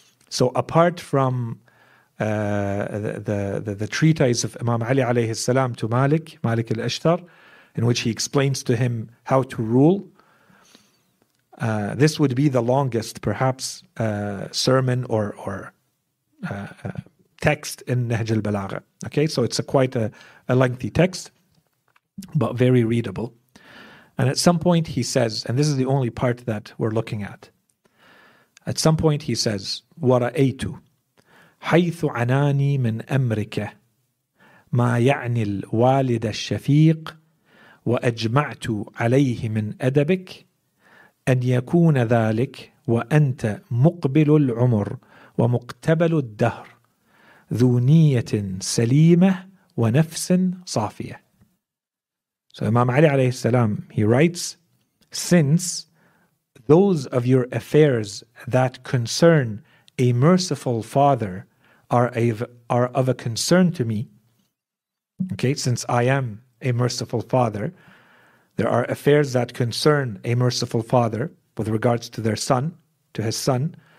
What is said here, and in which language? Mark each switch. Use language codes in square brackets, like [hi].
[en] So apart from the treatise of Imam Ali alayhi salam to Malik, Malik al-Ishtar, in which he explains to him how to rule, this would be the longest, perhaps, sermon or text in Nahj al-Balagha. Okay, so it's quite a lengthy text, but very readable. And at some point he says, and this is the only part that we're looking at. At some point he says, [ar] وَرَأَيْتُ حَيْثُ عَنَانِي مِنْ أَمْرِكَ مَا يَعْنِي الْوَالِدَ الشَّفِيقِ وَأَجْمَعْتُ عَلَيْهِ مِنْ أَدَبِكَ أن يكون ذلك وأنت مقبل العمر ومقتبل الدهر ذو نية سليمة ونفس صافية. [en] So Imam Ali alayhi salam, he writes, since those of your affairs that concern a merciful father are of a concern to me, okay, since I am a merciful father, there are affairs that concern a merciful father with regards to their son, to his son.